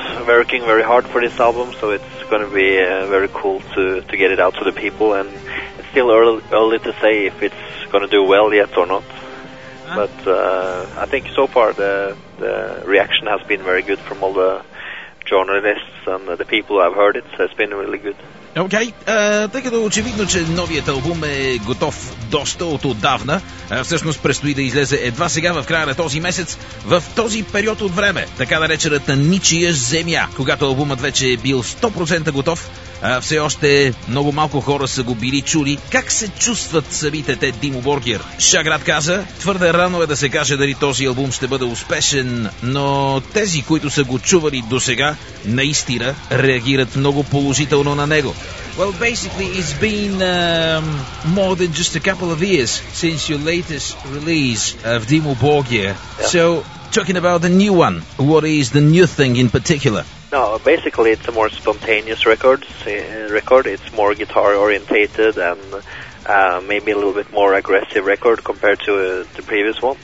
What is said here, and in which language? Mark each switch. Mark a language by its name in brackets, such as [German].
[English] Working very hard for this album, so it's going to be very cool to get it out to the people. And it's still early to say if it's going to do well yet or not, but I think so far the reaction has been very good from all the journalists and the people who have heard it, so it's been really good. [Bulgarian] Ok, тъй като очевидно, че новият албум е готов доста от отдавна, всъщност предстои да излезе едва сега в края на този месец, в този период от време, така наречената ничия земя, когато албумът вече е бил 100% готов, все още много малко хора са го били чули. Как се чувстват самите те, Димо Боргиер? Шаград каза, твърде рано е да се каже дали този албум ще бъде успешен, но тези, които са го чували досега, наистина реагират много положително на него. [English] Well, basically, it's been more than just a couple of years since your latest release of Dimmu Borgir. Yeah. So, talking about the new one, what is the new thing in particular? No, basically, it's a more spontaneous record. It's more guitar-orientated and maybe a little bit more aggressive record compared to the previous one.